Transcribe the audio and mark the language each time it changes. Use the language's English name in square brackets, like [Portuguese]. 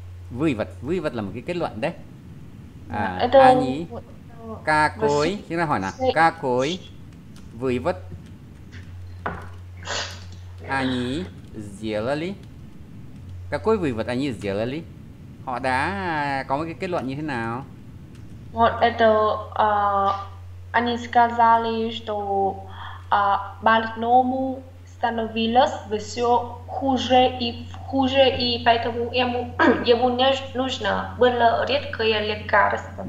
[Vietnamese] Вывод là một cái kết luận đấy. [Russian] À, они какой, Это [Vietnamese] khi nào hỏi nào, [Russian] какой вывод они сделали? Какой вывод они сделали? [Vietnamese] Họ đã có một cái kết luận như thế nào? [Russian] Вот это они сказали, что больному становилось все хуже, и поэтому ему не нужно было редкое лекарство.